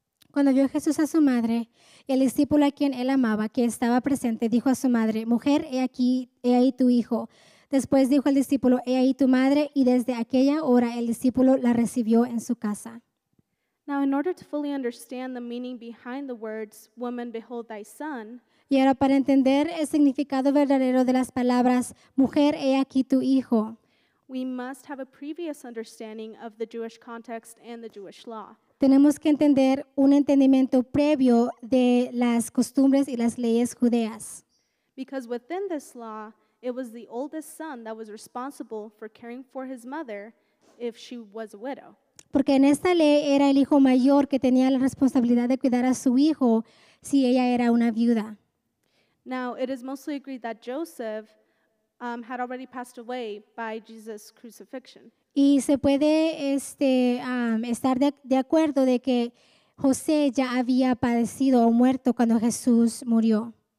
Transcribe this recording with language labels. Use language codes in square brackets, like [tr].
[es] Cuando vio Jesús a su madre, el discípulo a quien él amaba, que estaba presente, dijo a su madre, Mujer, he ahí tu hijo. Después dijo el discípulo, He ahí tu madre. Y desde aquella hora, el discípulo la recibió en su casa. [en] Now, in order to fully understand the meaning behind the words, "Woman, behold thy son," [es] y ahora para entender el significado verdadero de las palabras, "Mujer, he aquí tu hijo," [en] we must have a previous understanding of the Jewish context and the Jewish law. [es] Tenemos que entender un entendimiento previo de las costumbres y las leyes judeas. [en] Because within this law, it was the oldest son that was responsible for caring for his mother if she was a widow. [es] Porque en esta ley era el hijo mayor que tenía la responsabilidad de cuidar a su hijo si ella era una viuda. [en] Now, it is mostly agreed that Joseph had already passed away by Jesus' crucifixion. [es] Y se puede estar de acuerdo de que José ya había padecido o muerto cuando Jesús murió.